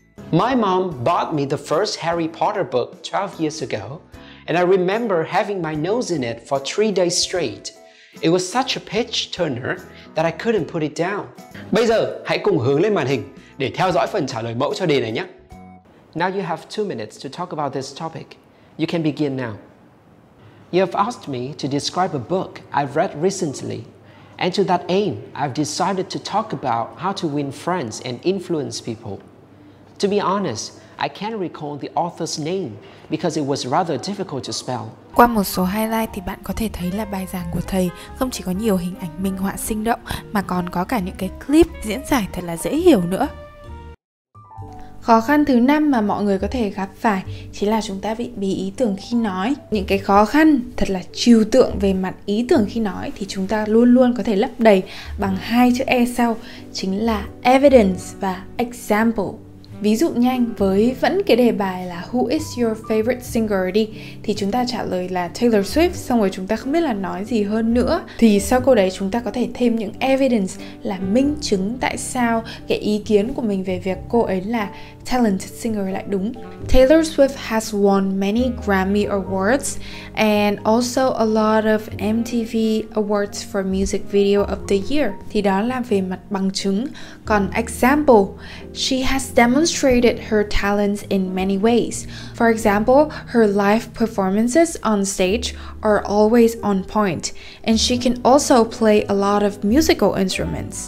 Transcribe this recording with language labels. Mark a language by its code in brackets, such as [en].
[en] My mom bought me the first Harry Potter book 12 years ago, and I remember having my nose in it for 3 days straight. It was such a page turner that I couldn't put it down. [vi] Bây giờ, hãy cùng hướng lên màn hình để theo dõi phần trả lời mẫu cho đề này nhé. [en] Now you have 2 minutes to talk about this topic. You can begin now. You have asked me to describe a book I've read recently. And to that aim, I've decided to talk about how to win friends and influence people. To be honest, I can't recall the author's name because it was rather difficult to spell. [vi] Qua một số highlight thì bạn có thể thấy là bài giảng của thầy không chỉ có nhiều hình ảnh minh họa sinh động mà còn có cả những cái clip diễn giải thật là dễ hiểu nữa. Khó khăn thứ 5 mà mọi người có thể gặp phải chính là chúng ta bị bí ý tưởng khi nói. Những cái khó khăn thật là trừu tượng về mặt ý tưởng khi nói thì chúng ta luôn luôn có thể lấp đầy bằng hai chữ E sau, chính là evidence và example. Ví dụ nhanh với vẫn cái đề bài là [en] Who is your favorite singer [vi] đi, thì chúng ta trả lời là Taylor Swift, xong rồi chúng ta không biết là nói gì hơn nữa. Thì sau câu đấy chúng ta có thể thêm những evidence là minh chứng tại sao cái ý kiến của mình về việc cô ấy là talented singer lại đúng. [en] Taylor Swift has won many Grammy Awards and also a lot of MTV Awards for Music Video of the Year. [vi] Thì đó là về mặt bằng chứng. Còn [en] example, she has demonstrated her talents in many ways. For example, her live performances on stage are always on point, and she can also play a lot of musical instruments.